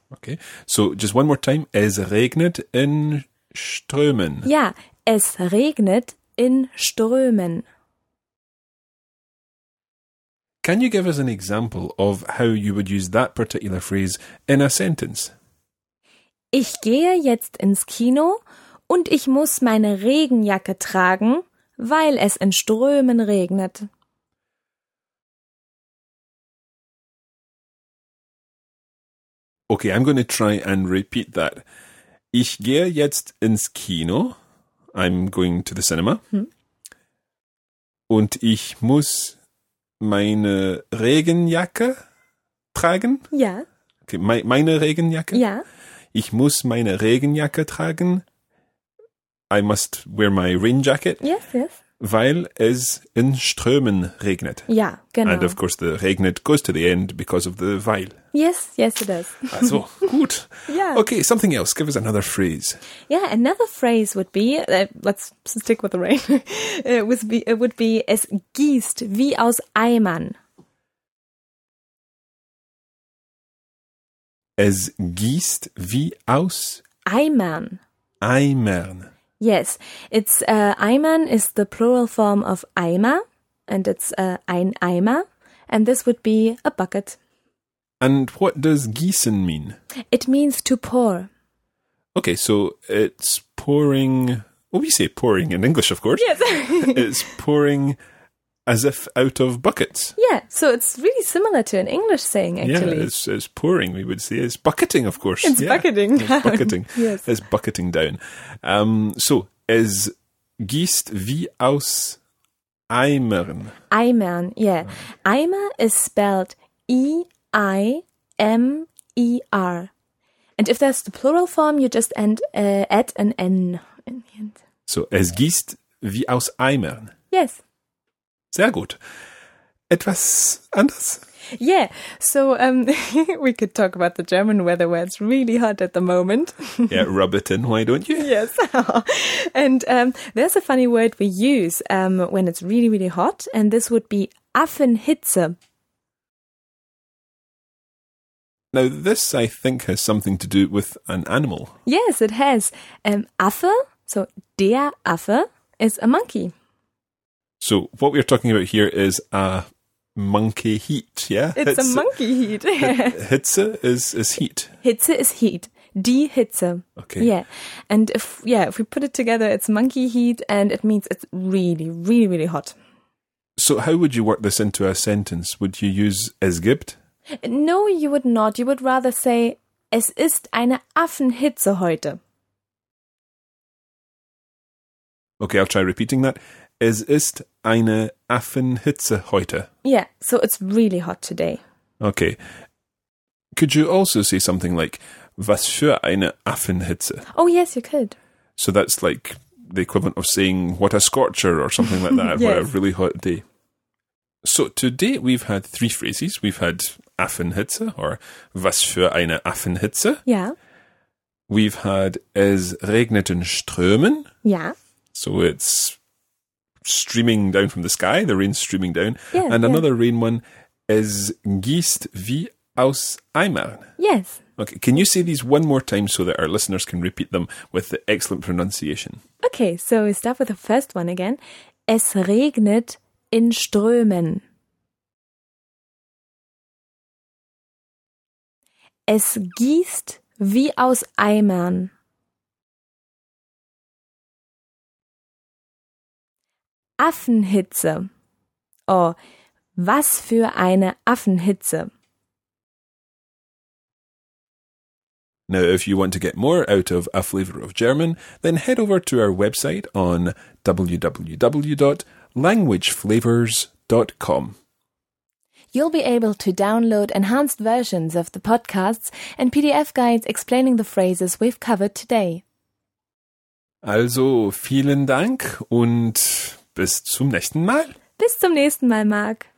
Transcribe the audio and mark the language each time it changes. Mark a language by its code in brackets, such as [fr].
[en] Okay, so just one more time. [de] Es regnet in Strömen. Yeah, es regnet in Strömen. [en] Can you give us an example of how you would use that particular phrase in a sentence? [de] Ich gehe jetzt ins Kino und ich muss meine Regenjacke tragen, weil es in Strömen regnet. [en] Okay, I'm going to try and repeat that. [de] Ich gehe jetzt ins Kino. [en] I'm going to the cinema. [de] Hm. Und ich muss meine Regenjacke tragen. Ja. Okay, meine Regenjacke. Ja. Ich muss meine Regenjacke tragen. [en] I must wear my rain jacket. Yes, yes. [de] Weil es in Strömen regnet. Ja, genau. [en] And of course the regnet goes to the end because of the weil. Yes, yes it does. [de] Also, gut. Ja. [en] Okay, something else. Give us another phrase. Yeah, another phrase would be, let's stick with the rain, it would be, [de] es gießt wie aus Eimern. Es gießt wie aus Eimern. Eimern. [en] Yes, it's Eimern is the plural form of Eimer, and it's ein Eimer, and this would be a bucket. And what does gießen mean? It means to pour. Okay, so it's pouring. Well, we say pouring in English, of course. Yes. It's pouring as if out of buckets. Yeah, so it's really similar to an English saying, actually. Yeah, it's pouring, we would say. It's bucketing, of course. It's bucketing. It's bucketing. Yes. It's bucketing down. [de] So, is Gießt wie aus Eimern? [en] Eimern, yeah. Eimer is spelled E-I-M-E-R. And if that's the plural form, you just end at an N in the end. [de] So, es gießt wie aus Eimern. [en] Yes. [de] Sehr gut. Etwas anders? [en] Yeah. So, we could talk about the German weather where it's really hot at the moment. Yeah, rub it in, why don't you? Yes. And there's a funny word we use when it's really, really hot, and this would be Affenhitze. Now, this, I think, has something to do with an animal. Yes, it has. Affe, so der Affe, is a monkey. So, what we're talking about here is a monkey heat, yeah? It's a monkey heat. Hitze is heat. Hitze is heat. Die Hitze. Okay. Yeah. And if we put it together, it's monkey heat, and it means it's really, really, really hot. So, how would you work this into a sentence? Would you use [de] es gibt? [en] No, you would not. You would rather say, [de] es ist eine Affenhitze heute. [en] Okay, I'll try repeating that. [de] Es ist eine Affenhitze heute. [en] Yeah, so it's really hot today. Okay. Could you also say something like, [de] was für eine Affenhitze? [en] Oh, yes, you could. So that's like the equivalent of saying, what a scorcher or something like that. Yes. What a really hot day. So today we've had three phrases. We've had Affenhitze or [de] was für eine Affenhitze. [en] Yeah. We've had [de] es regnet in Strömen. [en] Yeah. So it's streaming down from the sky, the rain's streaming down. Yeah, and yeah. Another rain one, [de] es gießt wie aus Eimern. [en] Yes. Okay, can you say these one more time so that our listeners can repeat them with the excellent pronunciation? Okay, so we start with the first one again. [de] Es regnet in Strömen. Es gießt wie aus Eimern. Affenhitze. Oh, was für eine Affenhitze. [en] Now, if you want to get more out of A Flavor of German, then head over to our website on www.languageflavors.com. You'll be able to download enhanced versions of the podcasts and PDF guides explaining the phrases we've covered today. [de] Also, vielen Dank und bis zum nächsten Mal. Bis zum nächsten Mal, Marc.